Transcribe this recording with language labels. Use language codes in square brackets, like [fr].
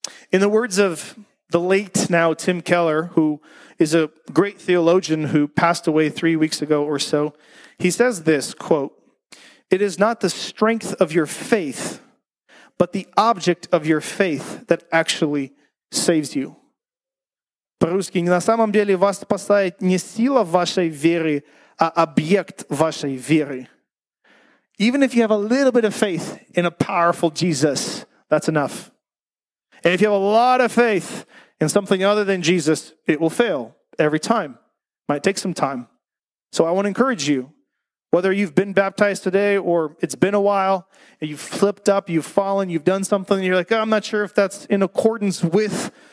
[en] In the words of the late now Tim Keller, who is a great theologian who passed away 3 weeks ago or so, he says this, quote, "It is not the strength of your faith, but the object of your faith that actually saves you." [ru] По-русски, на самом деле вас спасает не сила вашей веры, а объект вашей веры. [en] Even if you have a little bit of faith in a powerful Jesus, that's enough. And if you have a lot of faith in something other than Jesus, it will fail every time. Might take some time. So I want to encourage you, whether you've been baptized today or it's been a while, and you've flipped up, you've fallen, you've done something, and you're like, oh, I'm not sure if that's in accordance with